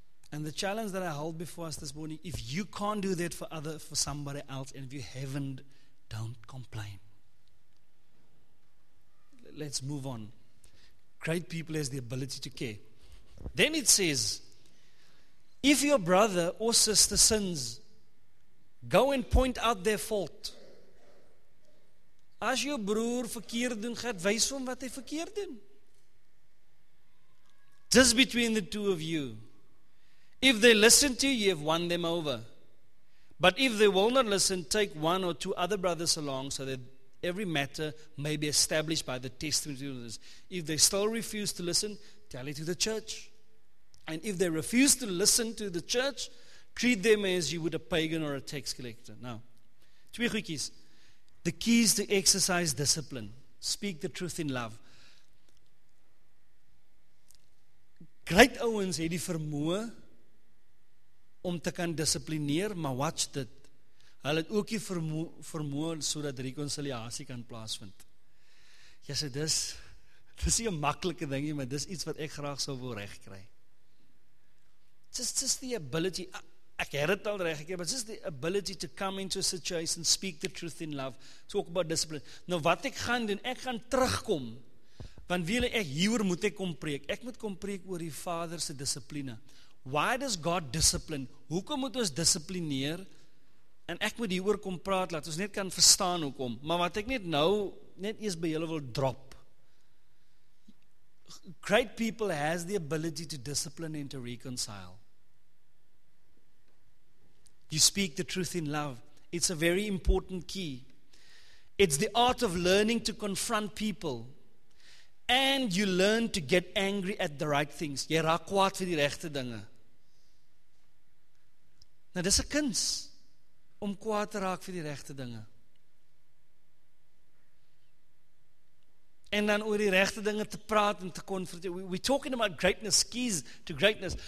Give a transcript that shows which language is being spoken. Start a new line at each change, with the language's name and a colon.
English: And the challenge that I hold before us this morning, if you can't do that for other, for somebody else, and if you haven't, don't complain. Let's move on. Great people has the ability to care. Then it says, if your brother or sister sins, go and point out their fault.
Afrikaans: As jou broer verkeerd doen, gaat wys hom wat hy verkeerd doen.
English: Just between the two of you. If they listen to you, you have won them over. But if they will not listen, take one or two other brothers along so that every matter may be established by the testimony of this. If they still refuse to listen, tell it to the church. And if they refuse to listen to the church, treat them as you would a pagan or a tax collector. Now,
Afrikaans: twee goedjies.
English: The key is to exercise discipline. Speak the truth in love.
Afrikaans: Great ouens het die vermoë om te kan disciplineer, maar watch dit, hulle het ook die vermoë so dat reconciliatie kan plaasvind. Jy sê, dis nie 'n makkelike ding nie, maar dis iets wat ek graag sou wil regkry.
English: Just the ability,
Afrikaans: ek het dit al regkry,
English: but just the ability to come into a situation, speak the truth in love, talk about discipline.
Afrikaans: Nou wat ek gaan doen, ek gaan terugkom, want wie ek hier moet ek kom preek, ek moet kom preek oor die Vaderse discipline.
English: Why does God discipline?
Afrikaans: Hoekom moet ons disciplineer? En ek moet hieroor kom praat, laat ons net kan verstaan hoekom. Maar wat ek net nou, net eers by julle wil drop.
English: Great people has the ability to discipline and to reconcile. You speak the truth in love. It's a very important key. It's the art of learning to confront people. And you learn to get angry at the right things.
Afrikaans: Jy raak kwaad vir die regte dinge. Nou, dis 'n kuns om kwaad te raak vir die regte dinge. En dan oor die regte dinge te praat en te konfronteer.
English: We're talking about greatness, keys to greatness.